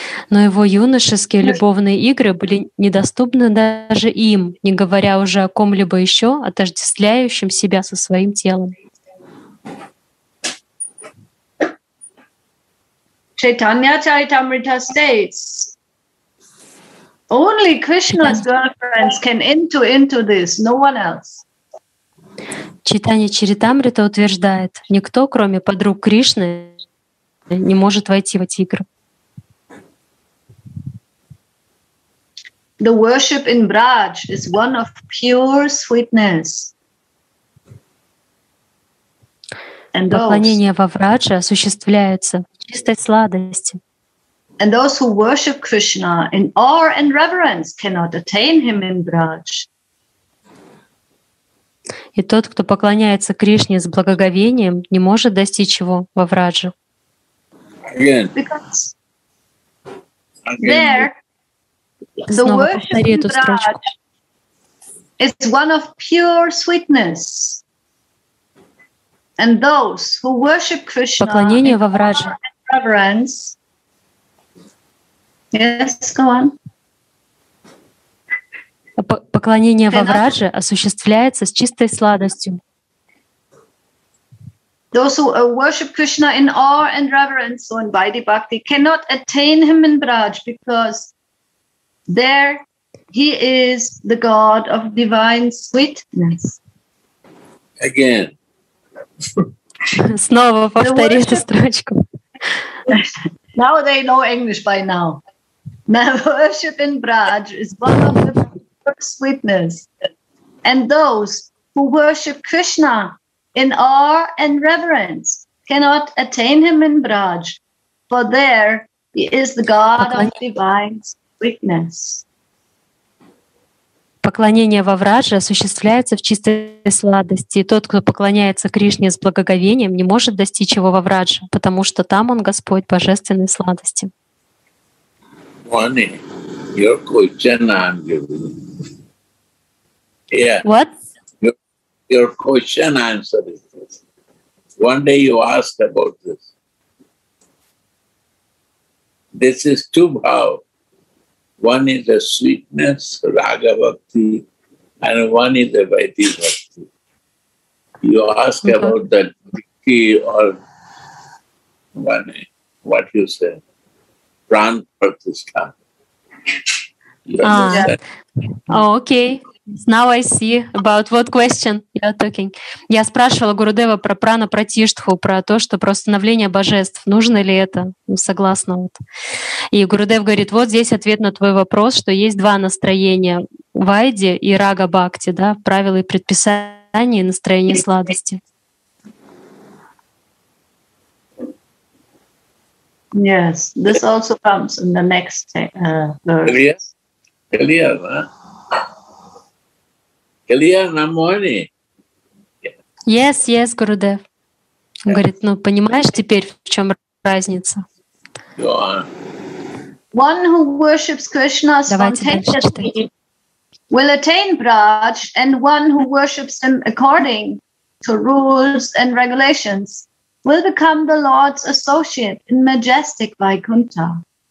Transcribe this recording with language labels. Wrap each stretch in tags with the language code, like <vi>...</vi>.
<ru>Но его юношеские любовные игры были недоступны даже им, не говоря уже о ком-либо еще, отождествляющем себя со своим телом.</ru> <en>Chaitanya Charitamrita states, only Krishna's girlfriends can into this, no one else.</en> <ru>Chaitanya Charitamrita утверждает, никто, кроме подруг Кришны, не может войти в эти игры.</ru> <en>The worship in Braj is one of pure sweetness.</en> <ru>And поклонение во Врадже осуществляется в чистой сладости.</ru> <en>And those who worship Krishna in awe and reverence cannot attain him in Braj.</en> <ru>И тот, кто поклоняется Кришне с благоговением, не может достичь его во Враджу.</ru> <en>Again. There, the worship in Braj is one of pure sweetness. And those who worship Krishna</en> <ru>поклонение во Враджу.</ru> <en>Yes, go on.</en> <ru>Поклонение во Враже осуществляется с чистой сладостью.</ru> <en>Those who worship Krishna in awe and reverence, so in Vaidhi Bhakti, cannot attain him in Braj, because there he is the god of divine sweetness. Again.</en> <ru>Снова повторю эту строчку.</ru> <en>Now they know English by now. Now worship in Braj is one of the pure sweetness. And those who worship Krishna in awe and reverence cannot attain him in Braj, for there he is the god of divine sweetness.</en> <ru>Поклонение во Враже осуществляется в чистой сладости. И тот, кто поклоняется Кришне с благоговением, не может достичь его во Враже, потому что там он Господь божественной сладости.</ru> <en>Money, your question I'm giving. Yeah. What? Your question answer is this. One day you asked about this. This is two bhav. One is a sweetness, raga bhakti, and one is a vaidhi bhakti. You ask about that bhakti or one, what you say.</en> <ru>Пран Пратиштха. Окей.</ru> <en>Now I see about what question you are talking.</en> <ru>Я спрашивала Гурудева про прана пратиштху, про то, что про становление божеств. Нужно ли это? Ну, согласна. Вот. И Гурудев говорит, вот здесь ответ на твой вопрос, что есть два настроения — вайди и рага-бхакти, да, правила и предписания, и настроение сладости.</ru> <en>Yes, this also comes in the next verse. Kalyanamoni. Yes, yes, Gurudev.</en> <ru>Он говорит, ну понимаешь теперь, в чем разница?</ru> <en>Go on. One who worships Krishna spontaneously will attain Braj, and one who worships him according to rules and regulations will become the Lord's associate in majestic Vaikuntha.</en>